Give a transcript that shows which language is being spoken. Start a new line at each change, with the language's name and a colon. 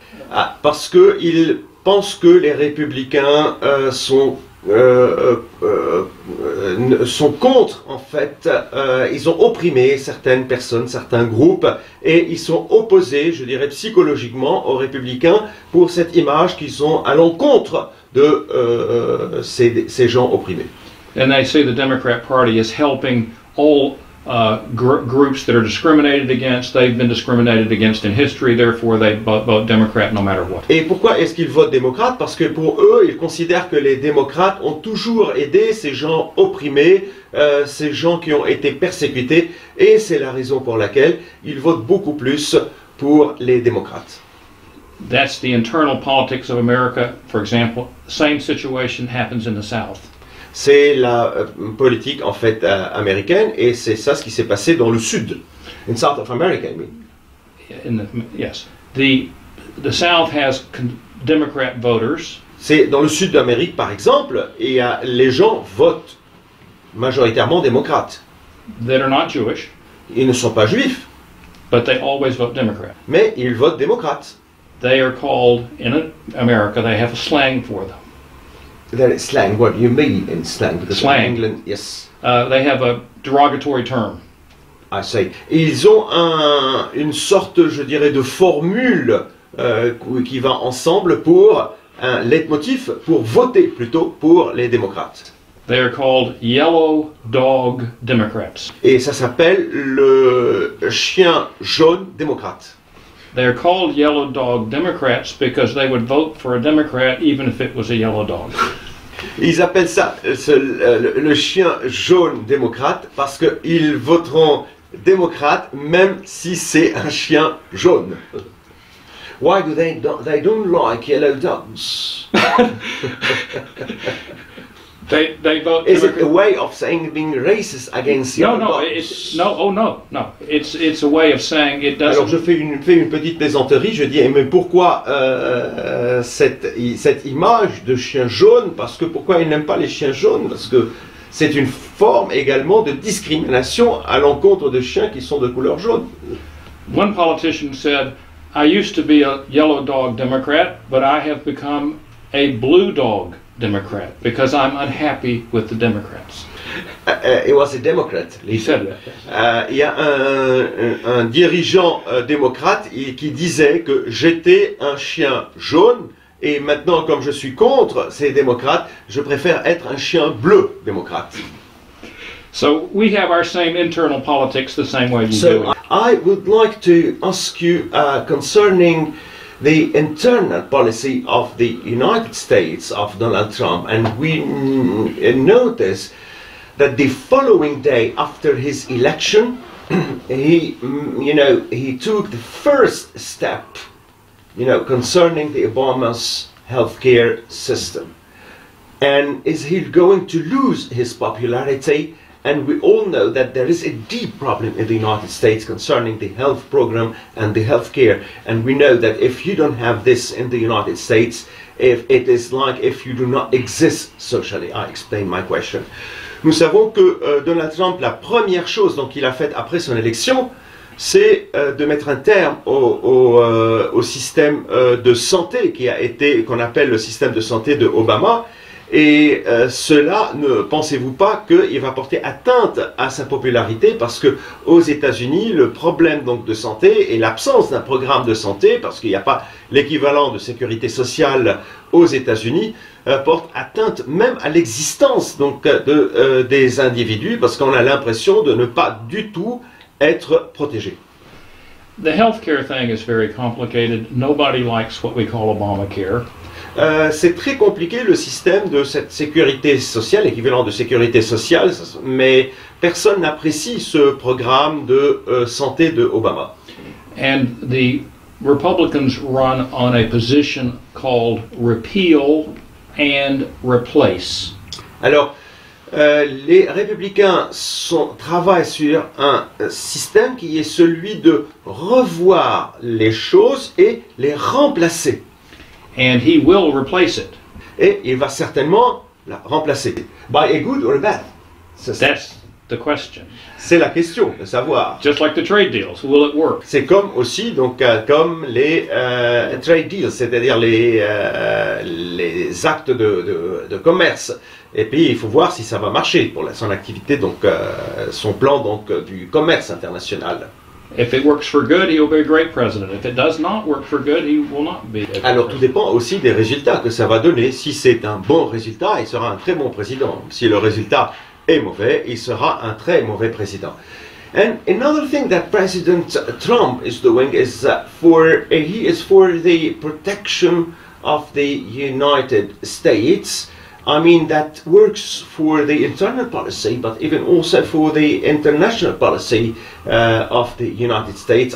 French: Ah, parce que ils pensent que les républicains sont contre, en fait. Ils ont opprimé certaines personnes, certains groupes, et ils sont opposés, je dirais psychologiquement, aux républicains pour cette image qu'ils ont à l'encontre de ces gens opprimés.
English: And they say the Democrat Party is helping all groups that are discriminated against. They've been discriminated against in history, therefore they vote Democrat no matter what.
French: Et pourquoi est-ce qu'ils votent démocrate? Parce que pour eux, ils considèrent que les démocrates ont toujours aidé ces gens opprimés, ces gens qui ont été persécutés, et c'est la raison pour laquelle ils votent beaucoup plus pour les démocrates.
English: That's the internal politics of America, for example. Same situation happens in the South.
French: C'est la politique, en fait, américaine, et c'est ça ce qui s'est passé dans le Sud.
English: In South of America, I mean. Yes. The South has Democrat voters.
French: C'est dans le Sud d'Amérique, par exemple, et les gens votent majoritairement démocrates.
English: That are not Jewish.
French: Ils ne sont pas juifs.
English: But they always vote Democrat.
French: Mais ils votent démocrates.
English: They are called, in America, they have a slang for them. That is slang, what you mean in slang? Because slang. In England, yes. They have a derogatory term. I say.
French: Ils ont une sorte, je dirais, de formule qui va ensemble pour un leitmotiv, pour voter plutôt pour les démocrates.
English: They are called yellow dog Democrats.
French: Et ça s'appelle le chien jaune démocrate.
English: They are called yellow dog Democrats because they would vote for a Democrat even if it was a yellow dog.
French: Ils appellent ça le chien jaune démocrate parce qu'ils voteront démocrate même si c'est un chien jaune.
English: Why do they don't like yellow dogs? they vote. Is it a way of saying being racist against yellow dogs? No. It's a way of saying it doesn't.
French: Alors je fais une petite plaisanterie. Je dis mais pourquoi cette image de chien jaune? Parce que pourquoi ils n'aiment pas les chiens jaunes? Parce que c'est une forme également de discrimination à l'encontre de chiens qui sont de couleur jaune.
English: One politician said, I used to be a yellow dog Democrat, but I have become a blue dog Democrat because I'm unhappy with the Democrats. It was a Democrat. He said that.
French: Il y a un dirigeant démocrate qui disait que j'étais un chien jaune et maintenant, comme je suis contre ces démocrates, je préfère être un chien bleu démocrate.
English: So we have our same internal politics the same way you so do it. I would like to ask you concerning the internal policy of the United States of Donald Trump. And we notice that the following day after his election, he took the first step, concerning the Obama's healthcare system. And is he going to lose his popularity? And we all know that there is a deep problem in the United States concerning the health program and the health care. And we know that if you don't have this in the United States, if it is like if you do not exist socially. I explain my question.
French: Nous savons que Donald Trump, la première chose donc qu'il a faite après son élection, c'est de mettre un terme au système de santé qu'on appelle le système de santé de Obama. Et cela, ne pensez-vous pas qu'il va porter atteinte à sa popularité parce que aux États-Unis, le problème donc de santé est l'absence d'un programme de santé parce qu'il n'y a pas l'équivalent de sécurité sociale aux États-Unis porte atteinte même à l'existence donc des individus parce qu'on a l'impression de ne pas du tout être protégé.
English: The healthcare thing is very complicated. Nobody likes what we call Obamacare.
French: C'est très compliqué le système de cette sécurité sociale, équivalent de sécurité sociale, mais personne n'apprécie ce programme de santé de Obama.
English: And the Republicans run on a position called repeal and replace.
French: Alors, les Républicains travaillent sur un système qui est celui de revoir les choses et les remplacer.
English: And he will replace it.
French: Et il va certainement la remplacer.
English: By a good or a bad? That's the question.
French: C'est la question de savoir.
English: Just like the trade deals, will it work?
French: C'est comme aussi donc comme les trade deals, c'est-à-dire les actes de commerce. Et puis il faut voir si ça va marcher pour son activité donc son plan donc du commerce international.
English: If it works for good, he will be a great president. If it does not work for good, he will not be.
French: Alors tout dépend aussi des résultats que ça va donner. Si c'est un bon résultat, il sera un très bon président. Si le résultat est mauvais, il sera un très mauvais président.
English: And another thing that President Trump is doing is for the protection of the United States. I mean that works for the internal policy, but even also for the international policy of the United States.